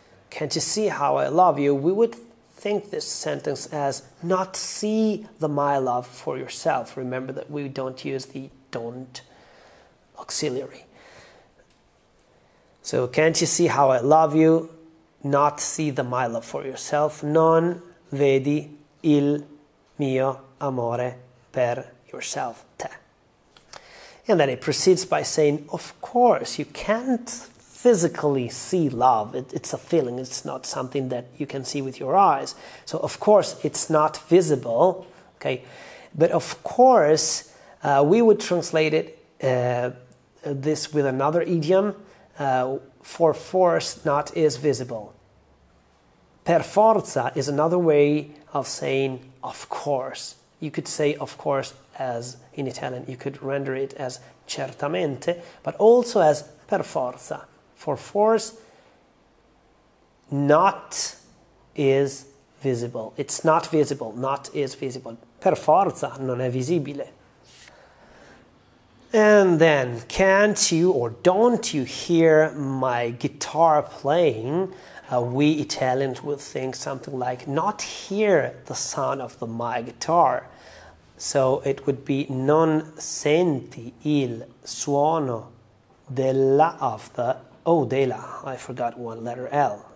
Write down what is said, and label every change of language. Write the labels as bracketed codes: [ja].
[en] Can't you see how I love you? We would think this sentence as not see the my love for yourself. Remember that we don't use the don't auxiliary. So can't you see how I love you? Not see the my love for yourself. [it] Non vedi il mio amore per [en] yourself, [it] te. [en] And then it proceeds by saying, of course, you can't physically see love. It's a feeling. It's not something that you can see with your eyes. So, of course, it's not visible. Okay, but of course, we would translate it this with another idiom. For force, not is visible. Per forza is another way of saying, of course. You could say, of course, as in Italian, you could render it as certamente, but also as per forza. For force, not is visible. It's not visible, not is visible. [it] Per forza, non è visibile. [en] And then, can't you or don't you hear my guitar playing? We Italians would think something like, not hear the sound of my guitar. So it would be [it] non senti il suono della [en] of the I forgot one letter L.